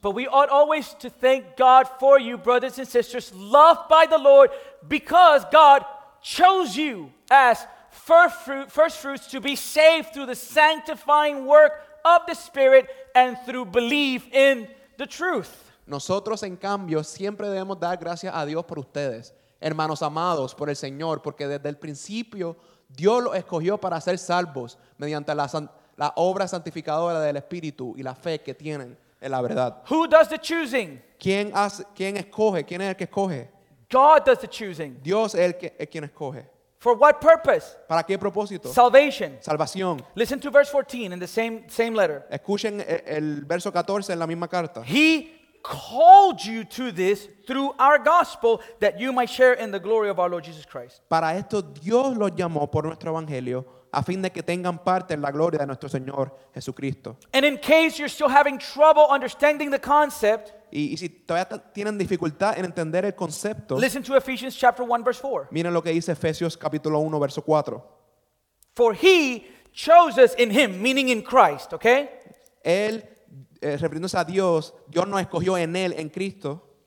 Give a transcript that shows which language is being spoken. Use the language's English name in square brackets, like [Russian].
[English] But we ought always to thank God for you, brothers and sisters, loved by the Lord, because God chose you as first fruits to be saved through the sanctifying work of the Spirit and through belief in the truth. [Spanish] Nosotros, en cambio, siempre debemos dar gracias a Dios por ustedes. Hermanos amados por el Señor, porque desde el principio Dios los escogió para ser salvos mediante la obra santificadora del Espíritu y la fe que tienen en la verdad. [English] Who does the choosing? [Spanish] ¿Quién escoge? ¿Quién es el que escoge? [English] God does the choosing. [Spanish] Dios es el quien escoge. [English] For what purpose? [Spanish] ¿Para qué propósito? [English] Salvation. [Spanish] Salvación. [English] Listen to verse 14 in the same letter. [Spanish] Escuchen el verso 14 en la misma carta. [English] He called you to this through our gospel that you might share in the glory of our Lord Jesus Christ. [Spanish] Para esto Dios los llamó por nuestro evangelio a fin de que tengan parte en la gloria de nuestro Señor Jesucristo. [English] And in case you're still having trouble understanding the concept, [Spanish] y si todavía tienen dificultad en entender el concepto, [English] listen to Ephesians chapter 1 verse 4. [Spanish] Miren lo que dice Efesios capítulo 1 verso 4. [English] For he chose us in him, meaning in Christ, okay? [Spanish] Él, refiriéndose a Dios, Dios nos escogió en él, en Cristo.